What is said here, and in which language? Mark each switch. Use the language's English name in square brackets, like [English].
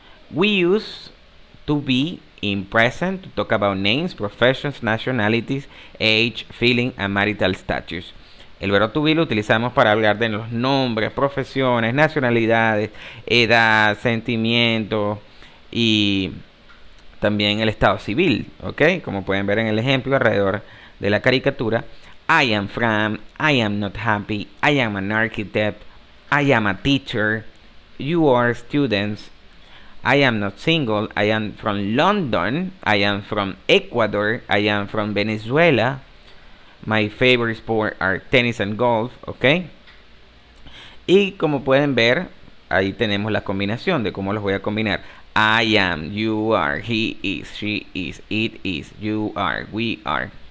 [English] We use to be in present to talk about names, professions, nationalities, age, feeling, and marital status. [Spanish] El verbo to be lo utilizamos para hablar de los nombres, profesiones, nacionalidades, edad, sentimiento y también el estado civil. [English] Okay? [Spanish] Como pueden ver en el ejemplo alrededor de la caricatura, [English] I am from, I am not happy, I am an architect, I am a teacher. You are students. I am not single. I am from London. I am from Ecuador. I am from Venezuela. My favorite sport are tennis and golf. Okay. [Spanish] Y como pueden ver, ahí tenemos la combinación de cómo los voy a combinar. [English] I am, you are, he is, she is, it is, you are, we are.